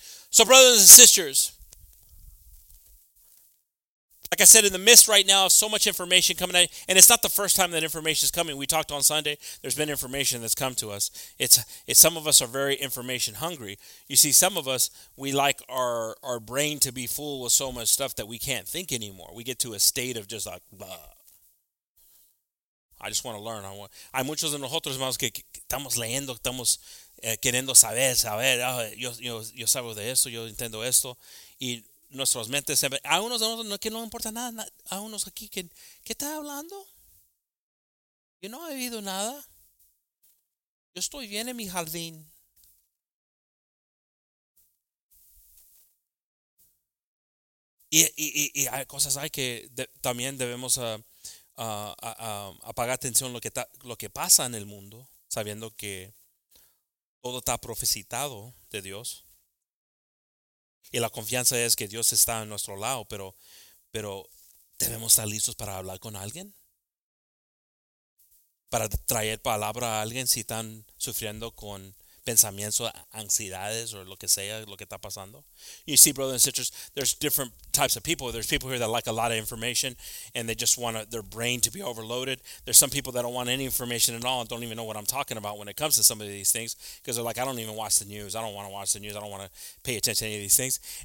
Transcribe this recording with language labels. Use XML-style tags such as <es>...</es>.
<en>So brothers and sisters, like I said, in the midst right now of so much information coming out, and it's not the first time that information is coming. We talked on Sunday. There's been information that's come to us. It's some of us are very information hungry. You see, some of us, we like our brain to be full with so much stuff that we can't think anymore. We get to a state of just like, bah. I just want to learn.</en> <es>Hay muchos de nosotros, hermanos, que estamos leyendo, estamos queriendo saber. Oh, yo sabo de esto, yo entiendo esto. Y nuestras mentes siempre, a unos de nosotros que no importa nada, a unos aquí, ¿qué estás hablando? Yo no he vivido nada. Yo estoy bien en mi jardín. Y hay cosas hay que también debemos apagar atención lo que pasa en el mundo, sabiendo que todo está profetizado de Dios. Y la confianza es que Dios está en nuestro lado, pero debemos estar listos para hablar con alguien. Para traer palabra a alguien si están sufriendo con pensamientos, ansiedades, o lo que sea, lo que está pasando.</es> <en>You see, brothers and sisters, there's different types of people. There's people here that like a lot of information, and they just want their brain to be overloaded. There's some people that don't want any information at all and don't even know what I'm talking about when it comes to some of these things, because they're like, I don't even watch the news. I don't want to watch the news. I don't want to pay attention to any of these things.</en>